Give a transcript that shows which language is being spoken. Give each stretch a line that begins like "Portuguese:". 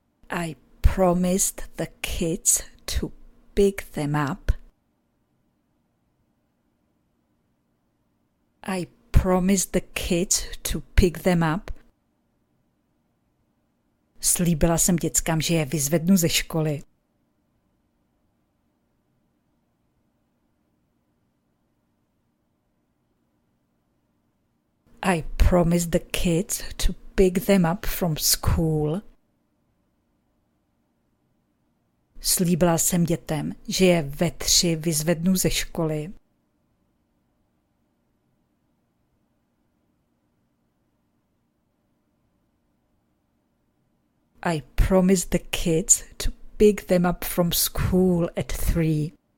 English: I promised the kids to pick them up. I promised the kids to pick them up.
Czech: Slíbila jsem dětskám, že je vyzvednu ze školy.
English: I promised the kids to pick them up from school.
Czech: Slíbila jsem dětem, že je ve tři vyzvednu ze školy.
English: I promised the kids to pick them up from school at 3.